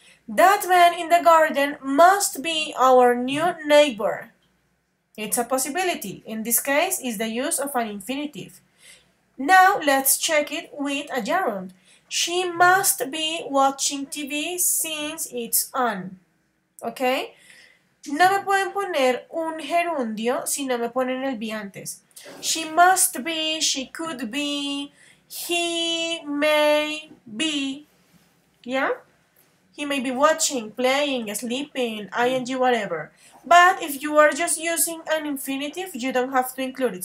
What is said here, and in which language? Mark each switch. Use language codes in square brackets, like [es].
[en] That man in the garden must be our new neighbor. It's a possibility. In this case, is the use of an infinitive. Now, let's check it with a gerund. She must be watching TV since it's on. Okay? [es] No me pueden poner un gerundio si no me ponen el be antes. [en] She must be, she could be, he may be. Yeah? He may be watching, playing, sleeping, ing, whatever. But if you are just using an infinitive, you don't have to include it.